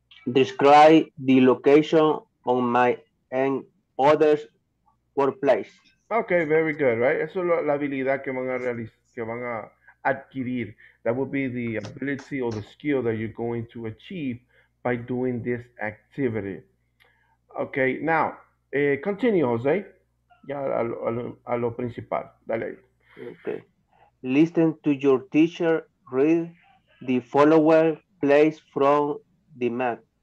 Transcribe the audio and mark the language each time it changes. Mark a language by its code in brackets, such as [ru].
[en] Describe the location on my and others' workplace. Okay, very good, right? [es] Eso es la habilidad que van a realizar, que van a adquirir. [en] That would be the ability or the skill that you're going to achieve by doing this activity. Okay, now, continue, [es] Jose. Ya a lo principal. Dale ahí. [en] Okay. Listen to your teacher read the following place from the map.